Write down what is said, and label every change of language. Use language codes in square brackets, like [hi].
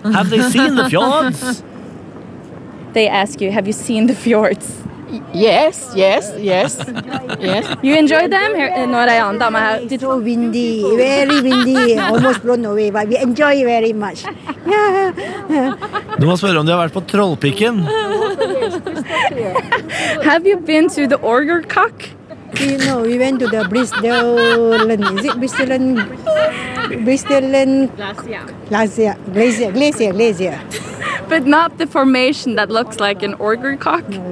[en] Have they seen the fjords? They ask you, have you seen the fjords? Yes, yes, yes, yes. You enjoy them? No, I am. Damn, it's so windy, very windy, almost blown away. But we enjoy it very much. [no] Du må spørre om du har vært på trollpikken. [en] Have you been to the Orger Cock? You know, we went to the Bristolen. Is it Bristolen? Bristolen. Glacier. Glacier. Glacier. Glacier. But not the formation that looks like an Orger cock.